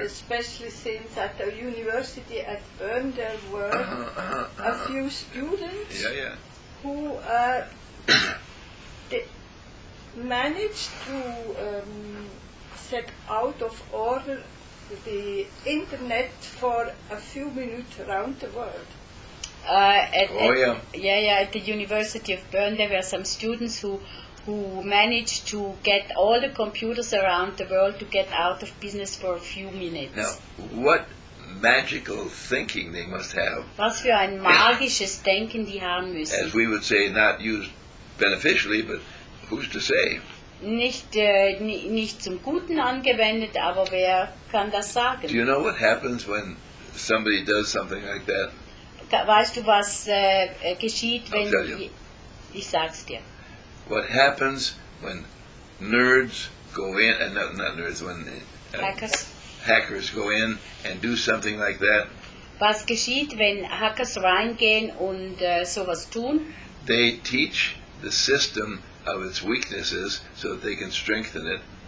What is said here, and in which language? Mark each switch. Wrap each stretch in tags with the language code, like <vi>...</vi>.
<en>Especially since at the university at Bern there were a few students who managed to set out of order the internet for a few minutes around the world. At the University of Bern there were some students who managed to get all the computers around the world to get out of business for a few minutes. Now, what magical thinking they must have.</en> <de>Was für ein magisches Denken die haben müssen. As we would say, not used beneficially, but who's to say? Nicht zum Guten angewendet, aber wer kann das sagen?</de> <en>Do you know what happens when somebody does something like that?</en> <de>Weißt du, was geschieht, wenn ich sag's dir.</de> <en>What happens when nerds go in, not nerds, when hackers go in and do something like that.</en> <de>Was geschieht, wenn Hackers reingehen und sowas tun?</de> <en>They teach the system of its weaknesses so that they can strengthen it.</en>